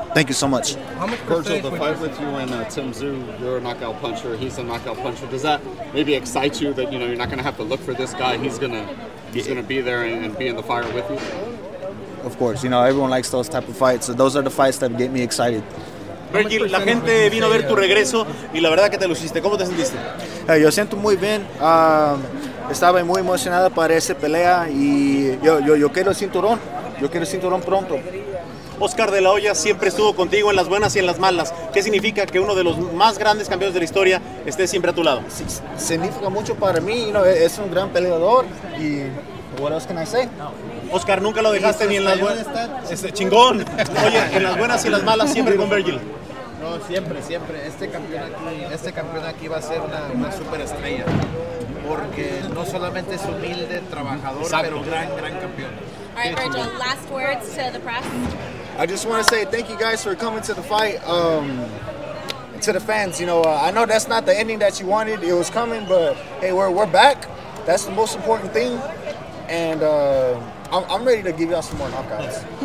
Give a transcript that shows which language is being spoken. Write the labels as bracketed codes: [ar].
[en] Thank you so much. Vergil, the fight with you and Tszyu, you're a knockout puncher. He's a knockout puncher. Does that maybe excite you that, you know, you're not going to have to look for this guy? He's gonna be there and be in the fire with you? Of course. You know, everyone likes those type of fights. So those are the fights that get me excited. [es] Vergil, la gente vino a ver tu regreso y la verdad que te luciste. ¿Cómo te sentiste? Yo siento muy bien. Estaba muy emocionada para esa pelea y yo quiero el cinturón. Yo quiero el cinturón pronto. Oscar de la Hoya siempre estuvo contigo en las buenas y en las malas. ¿Qué significa que uno de los más grandes campeones de la historia esté siempre a tu lado? Significa mucho para mí. [en] You know, [es] es un gran peleador. Y [en] what else can I say? [es] Oscar, nunca lo dejaste ni en las buenas. ¡Chingón! Oye, en las buenas y en las malas, siempre con Vergil. No, siempre. Este campeón aquí va a ser una superestrella. Porque no solamente es humilde, trabajador, exacto, pero gran campeón. [en] All right, Vergil, last words to the press. I just want to say thank you guys for coming to the fight. To the fans, you know, I know that's not the ending that you wanted. It was coming, but hey, we're back. That's the most important thing. And I'm ready to give y'all some more knockouts.